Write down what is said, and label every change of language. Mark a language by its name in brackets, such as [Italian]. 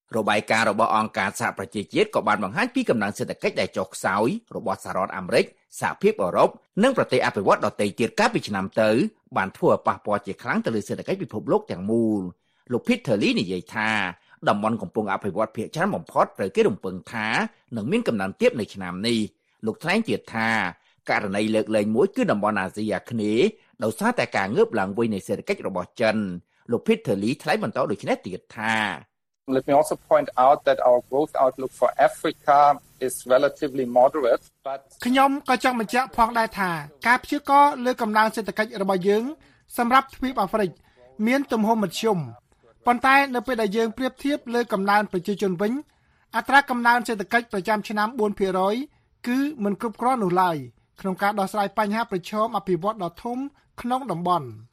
[Khmer] បាយការណ៍របស់អង្គការសហប្រជាជាតិក៏បានបង្ហាញពីកំណើនសេដ្ឋកិច្ចដែលចុះខ្សោយរបស់សហរដ្ឋអាមេរិកសហភាពអឺរ៉ុបនិងប្រទេសអភិវឌ្ឍន៍ដទៃទៀតកាលពីឆ្នាំទៅបានធ្វើឲ្យប៉ះពាល់ជាខ្លាំងទៅលើសេដ្ឋកិច្ចពិភពលោកទាំងមូលលោក Peter Lee និយាយថាតំបន់កំពុងអភិវឌ្ឍន៍ភាគច្រើនបំផុតត្រូវគេរំពឹងថានឹងមានកំណើនទៀតនៅឆ្នាំនេះលោកថ្លែងទៀតថាករណីលើកលែងមួយគឺតំបន់អាស៊ីអាគ្នេយ៍ដោយសារតែការងើបឡើងវិញនៃសេដ្ឋកិច្ចរបស់ចិនលោក Peter Lee ថ្លែងបន្តដូចនេះទៀតថា [English] Let me also point out that our growth outlook for Africa is relatively moderate but [Khmer] ខ្ញុំក៏ចង់បញ្ជាក់ផងដែរថាការព្យាករណ៍លើកំណើនសេដ្ឋកិច្ចរបស់យើងសម្រាប់ទ្វីបអាហ្វ្រិកមានទំហំមធ្យមប៉ុន្តែនៅពេលដែលយើងប្រៀបធៀបលើកំណើនប្រជាជនវិញអត្រាកំណើនសេដ្ឋកិច្ចប្រចាំឆ្នាំ 4% គឺមិនគ្រប់គ្រាន់នោះឡើយក្នុងការដោះស្រាយបញ្ហាប្រឈមអភិវឌ្ឍន៍ដ៏ធំក្នុងតំបន់